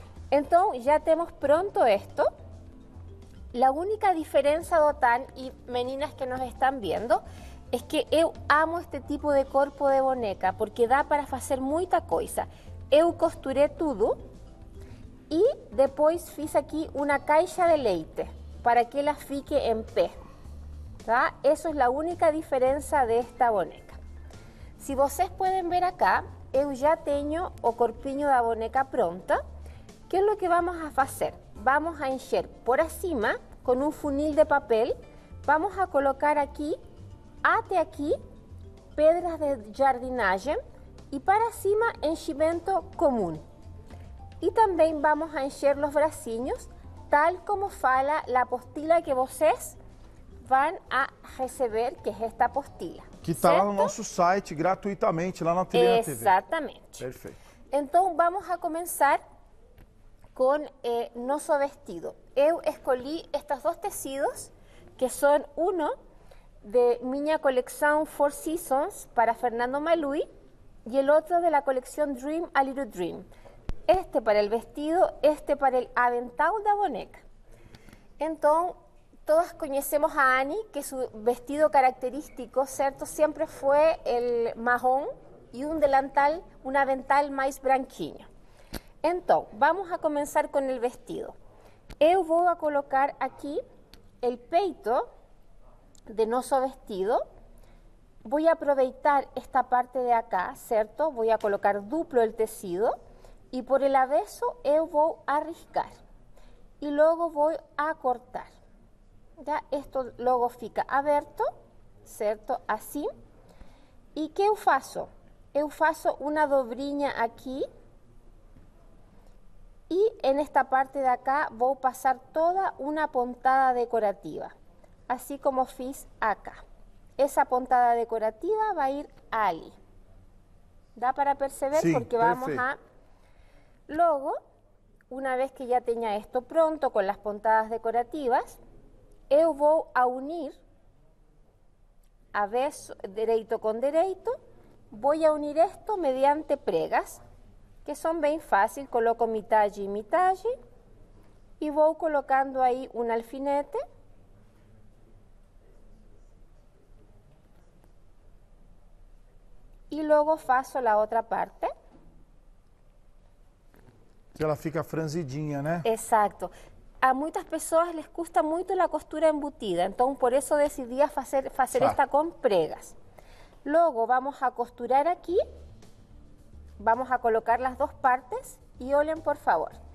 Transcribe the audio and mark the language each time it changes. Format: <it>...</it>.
<pt>Então, já temos pronto isto. A única diferença, Dotan e meninas que nos estão vendo, é que eu amo este tipo de corpo de boneca, porque dá para fazer muita coisa. Eu costurei tudo e depois fiz aqui uma caixa de leite para que</pt> <es>la fique en pie, ¿tá? Eso es la única diferencia de esta boneca. Si ustedes pueden ver acá, yo ya tengo el corpiño de la boneca pronta. ¿Qué es lo que vamos a hacer? Vamos a encher por encima con un funil de papel. Vamos a colocar aquí, hasta aquí, piedras de jardinaje y para encima enchimiento común.</es> <pt>E também vamos a encher os bracinhos, tal como fala a apostila que vocês vão a receber, que é esta apostila. Que está lá no nosso site, gratuitamente, lá na Ateliê da TV. Exatamente. Perfeito. Então, vamos a começar com nosso vestido. Eu escolhi estes dois tecidos, que são um de minha coleção Four Seasons, para Fernando Maluy, e o outro de la coleção Dream A Little Dream.</pt> <es>Este para el vestido, este para el aventado de boneca. Entonces, todas conocemos a Annie, que su vestido característico, ¿cierto? Siempre fue el marrón y un delantal, un avental más branquinho. Entonces, vamos a comenzar con el vestido. Yo voy a colocar aquí el peito de nuestro vestido. Voy a aprovechar esta parte de acá, ¿cierto? Voy a colocar duplo el tecido.</es> <pt>E por el avesso eu vou arriscar e logo vou a cortar. Já isto logo fica aberto, certo? Assim. E que eu faço? Eu faço uma dobrinha aqui e em esta parte de acá vou passar toda uma pontada decorativa, assim como fiz acá. Essa pontada decorativa vai ir ali. Dá para perceber? Sim, porque vamos perfeito.</pt> <es>A Luego, una vez que ya tenga esto pronto con las puntadas decorativas, yo voy a unir avesso derecho con derecho, voy a unir esto mediante pregas, que son bien fácil, coloco mitad y mitad, y voy colocando ahí un alfinete. Y luego faço la otra parte.</es> <pt>Ela fica franzidinha, né? Exato. A muitas pessoas les custa muito a costura embutida, então por isso decidi fazer esta com pregas. Logo vamos a costurar aqui, vamos a colocar as duas partes e olhem por favor.</pt>